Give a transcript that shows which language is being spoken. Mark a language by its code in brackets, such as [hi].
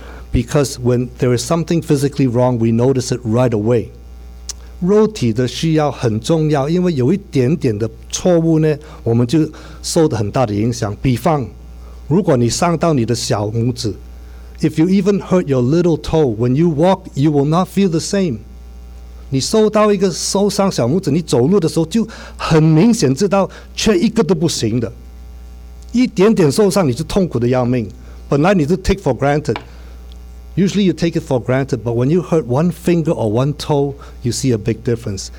[en] Because when there is something physically wrong, we notice it right away. [zh] 肉体的需要很重要，因为有一点点的错误呢，我们就受到很大的影响。比方，如果你伤到你的小拇指， [en] if you even hurt your little toe, when you walk, you will not feel the same. [zh] 你受到一个受伤小拇指，你走路的时候就很明显知道缺一个都不行的。一点点受伤你就痛苦的要命，本来你就 [en] take for granted. Usually you take it for granted, but when you hurt one finger or one toe, you see a big difference.